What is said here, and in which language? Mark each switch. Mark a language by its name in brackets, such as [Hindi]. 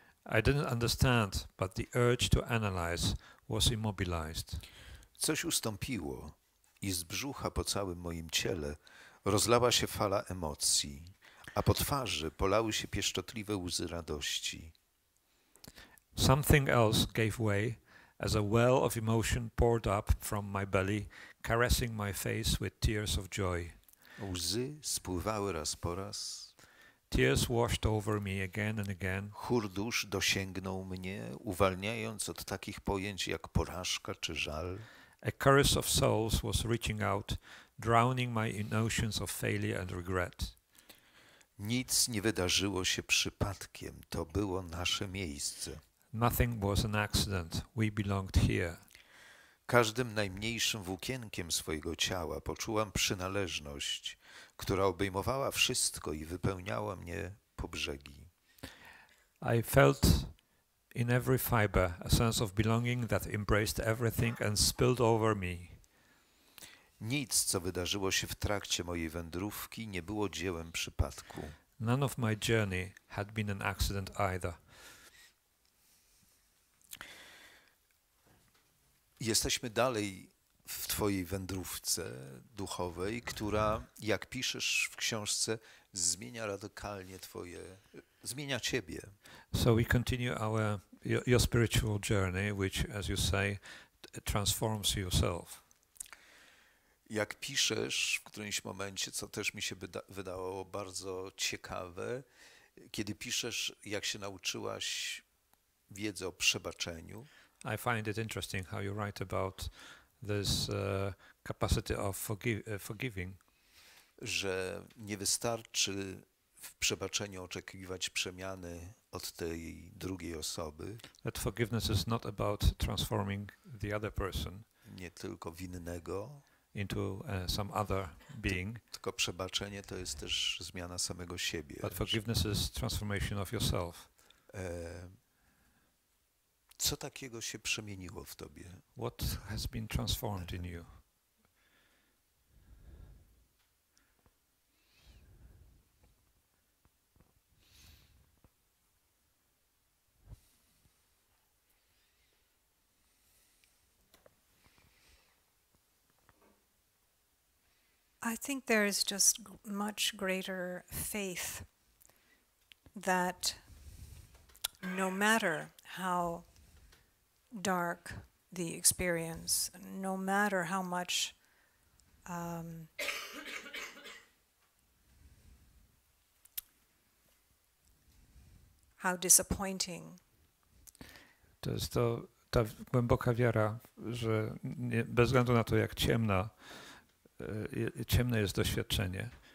[English] I didn't understand, but the urge to analyze was immobilized. [Polish] Coś ustąpiło i z brzucha po całym moim ciele rozlała się fala emocji, a po twarzy polały się pieszczotliwe łzy radości. [English] Something else gave way as a well of emotion poured up from my belly, caressing my face with tears of joy. [Polish] Łzy spływały raz po raz. [English] Tears washed over me again and again. [Polish] Chór dusz dosięgnął mnie, uwalniając od takich pojęć jak porażka czy żal. [English] A chorus of souls was reaching out, drowning my emotions of failure and regret. [Polish] Nic nie wydarzyło się przypadkiem, to było nasze miejsce. [English] Nothing was an accident. We belonged here. [Polish] Każdym najmniejszym włókienkiem swojego ciała poczułam przynależność, która obejmowała wszystko i wypełniała mnie po brzegi. [English] I felt in every fiber a sense of belonging that embraced everything and spilled over me. [Polish] Nic, co wydarzyło się w trakcie mojej wędrówki, nie było dziełem przypadku. [English] None of my journey had been an accident either. [Polish] Jesteśmy dalej w twojej wędrówce duchowej, która, jak piszesz w książce, zmienia radykalnie twoje, zmienia ciebie. [English] So we continue your spiritual journey, which, as you say, transforms yourself. [Polish] Jak piszesz w którymś momencie, co też mi się wydawało bardzo ciekawe, kiedy piszesz, jak się nauczyłaś wiedzy o przebaczeniu. [English] I find it interesting how you write about this capacity of forgiving. [Polish] Że nie wystarczy w przebaczeniu oczekiwać przemiany od tej drugiej osoby. [English] That forgiveness is not about transforming the other person. [Polish] Nie tylko winnego. [English] Into some other being. [Polish] Tylko przebaczenie to jest też zmiana samego siebie. [English] But forgiveness is transformation of yourself. [Polish] Co takiego się przemieniło w tobie? [English] What has been transformed in you? I think there is just much greater faith that no matter how dark the experience, no matter how much how disappointing. [Polish] To jest to ta głęboka wiara, że nie, bez względu na to, jak ciemna, ciemne jest doświadczenie.